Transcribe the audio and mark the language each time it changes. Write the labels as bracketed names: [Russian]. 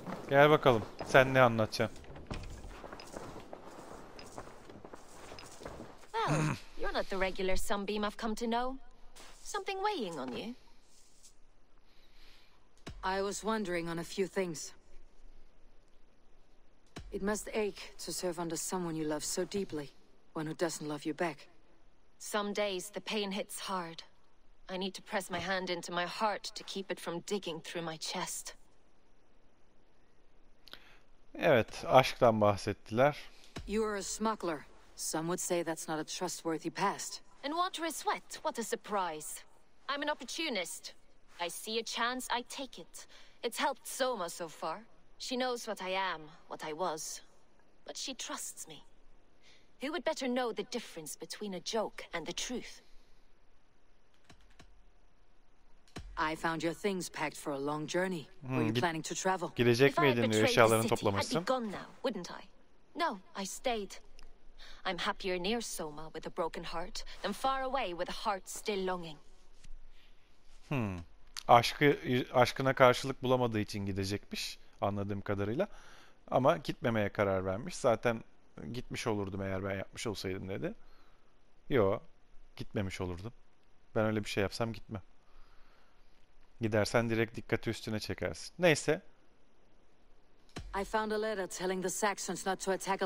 [Turkish] Gel bakalım, sen ne anlatacaksın? [English] Well, you're not the regular sunbeam I've come to know. Something weighing on you. I was wondering on a few things. It must ache to serve under someone you love so deeply, one who doesn't love you back. Some days the pain hits hard. I need to press my hand into my heart to keep it from digging through my chest. [Turkish] Evet, aşktan bahsettiler. [English] You're a smuggler. Some would say that's not a trustworthy past. And water is wet. What a surprise. I'm an opportunist. I see a chance, I take it. It's helped Soma so far. She knows what I am, what I was. But she trusts me. Who would better know the difference between a joke and the truth? I found your things packed for a long journey. Were you planning to travel? [Turkish] Gidecek miydin diyor, eşyalarını toplamışsın. [English] I'd be gone now, wouldn't I? No, I stayed. I'm happier near Soma with a broken heart than far away with a heart still longing. Hmm. [Turkish] Aşkına karşılık bulamadığı için gidecekmiş anladığım kadarıyla. Ama gitmemeye karar vermiş. Zaten gitmiş olurdum eğer ben yapmış olsaydım dedi. Yo, gitmemiş olurdum. Ben öyle bir şey yapsam gitmem. Gidersen direkt dikkati üstüne çekersin. Neyse. [English] I found a letter telling the Saxons not to attack a